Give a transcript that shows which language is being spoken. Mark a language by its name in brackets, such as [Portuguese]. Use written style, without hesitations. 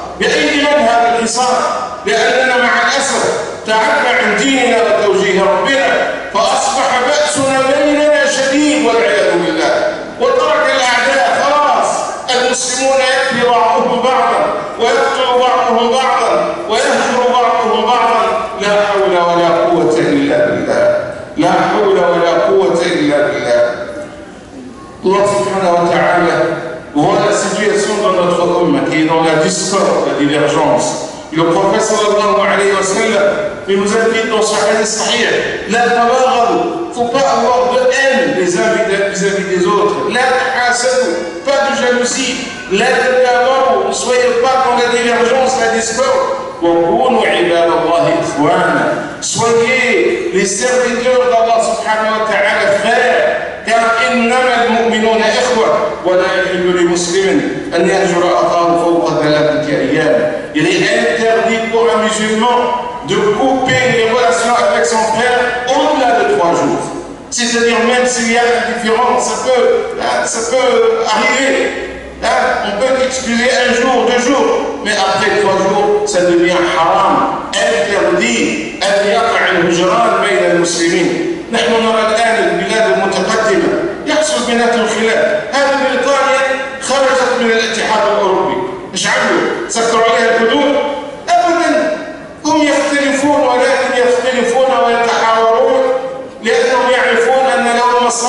[Arabic] بأي من هذا الحصار؟ لأننا مع الأسف تعبنا عن ديننا وتوجيه ربنا، فأصبح بأسنا بيننا شديد والعياذ بالله. وترك الأعداء خلاص، المسلمون يأتي بعضهم بعضا ويقتل بعضهم بعضا ويهجر بعضهم بعضا، لا حول ولا قوة إلا بالله، لا حول ولا قوة إلا بالله. الله سبحانه وتعالى، [French] voilà la situation dans notre homme qui est dans la discorde, la divergence. Le prophète sallallahu alayhi wa sallam, il nous a dit dans son hadith sahih: [Arabic] la tabagharu, [French] faut pas avoir de haine les uns vis-à-vis des autres. [Arabic] La tahasadu, [French] pas de jalousie. [Arabic] La tabagharu, [French] ne soyez pas dans la divergence, la discorde. [Arabic] Wa kunu ibadallah ikhwana, [French] soyez les serviteurs d'Allah subhanahu wa ta'ala frères. Car [Arabic] إنما المؤمنون إخوة ولا يحل لمسلم أن يهجر أخاه فوق ثلاثة أيام. [French] Il est interdit pour un musulman de couper les relations avec son frère au-delà de trois jours. C'est-à-dire, même s'il y a une différence, ça peut arriver. On peut excuser un jour, deux jours, mais après trois jours, ça devient haram. Interdit [Arabic] أن يقع الهجران بين المسلمين. نحن نرى الآن البلاد المتقدمة يحصل بينات الخلاف. هذه بريطانيا خرجت من الاتحاد الأوروبي، إيش عملوا؟ سكروا عليها الحدود؟ أبداً. هم يختلفون ولكن يختلفون ويتحاورون، لأنهم يعرفون أن لهم